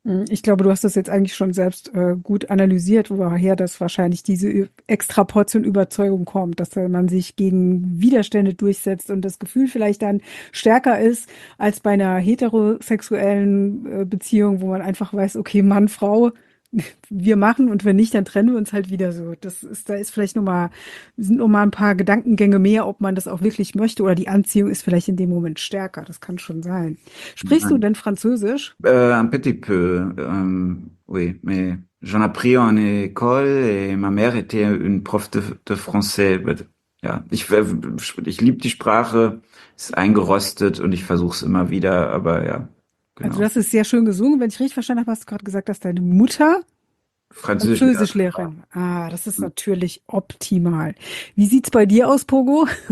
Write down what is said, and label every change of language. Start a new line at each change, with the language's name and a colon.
German: Ich glaube, du hast das jetzt eigentlich schon selbst gut analysiert, woher das wahrscheinlich diese extra Portion Überzeugung kommt, dass man sich gegen Widerstände durchsetzt und das Gefühl vielleicht dann stärker ist als bei einer heterosexuellen Beziehung, wo man einfach weiß, okay, Mann, Frau, wir machen und wenn nicht, dann trennen wir uns halt wieder so. Da ist vielleicht nochmal, sind nochmal ein paar Gedankengänge mehr, ob man das auch wirklich möchte oder die Anziehung ist vielleicht in dem Moment stärker. Das kann schon sein. Sprichst du Nein. denn Französisch?
French: Un petit peu, oui, mais j'en appris en école et ma mère était une prof de français.
German: But, ja, ich liebe die Sprache, ist eingerostet und ich versuche es immer wieder, aber ja, Also, genau. das ist sehr schön gesungen. Wenn ich richtig verstanden habe, hast du gerade gesagt, dass deine Mutter Französischlehrerin war. Französischlehrerin. Ah, das ist natürlich optimal. Wie sieht's bei dir aus, Pogo?